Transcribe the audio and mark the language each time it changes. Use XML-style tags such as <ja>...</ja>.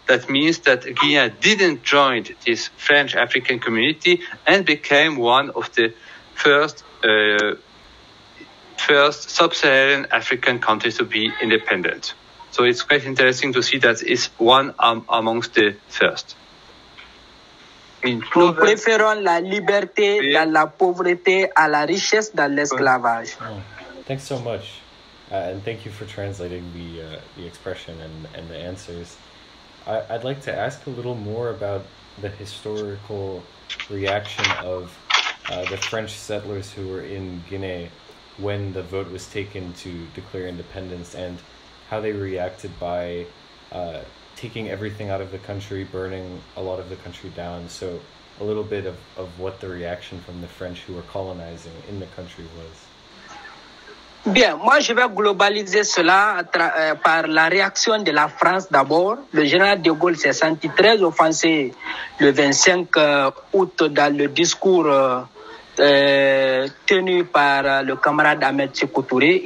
<en>That means that Guinea didn't join this French African community and became one of the first sub-Saharan African countries to be independent. So it's quite interesting to see that it's one amongst the first.</en> <fr>Nous préférons la liberté dans la pauvreté à la richesse dans l'esclavage.</fr> <en>Oh, thanks so much. And thank you for translating the expression and the answers. I'd like to ask a little more about the historical reaction of the French settlers who were in Guinea when the vote was taken to declare independence, and how they reacted by taking everything out of the country, burning a lot of the country down. So a little bit of what the reaction from the French who were colonizing in the country was.</en> <fr>Bien, moi je vais globaliser cela par la réaction de la France d'abord. Le général de Gaulle s'est senti très offensé le 25 août dans le discours tenu par le camarade Ahmed Sékou Touré.</fr>